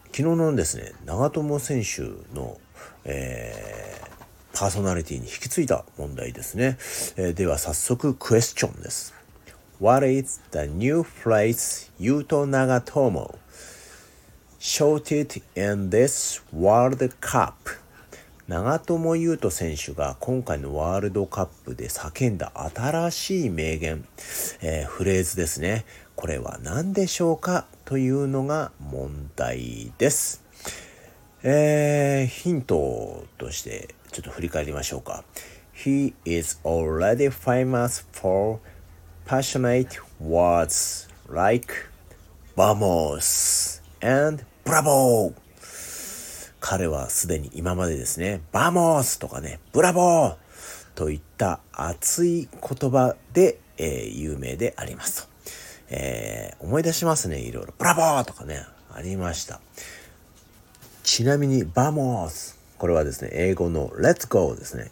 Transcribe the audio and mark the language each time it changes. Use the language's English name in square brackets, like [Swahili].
[Japanese] 昨日のですね、長友選手の、パーソナリティに引き継いだ問題ですね。では早速クエスチョンです。 [English] What is the new phrase 佐藤長友 shouted in this World Cup? [Japanese] 長友佑都選手が今回のワールドカップで叫んだ新しい名言、フレーズですね。これは何でしょうか？というのが問題です。ヒントとしてちょっと振り返りましょうか。 [English] He is already famous for passionate words like Vamos and Bravo! [Japanese] 彼はすでに今までですね、Vamos! とかね、Bravo! といった熱い言葉で、有名であります。思い出しますね、いろいろ。ブラボーとかね、ありました。ちなみに、バモース。これはですね、英語のレッツゴーですね。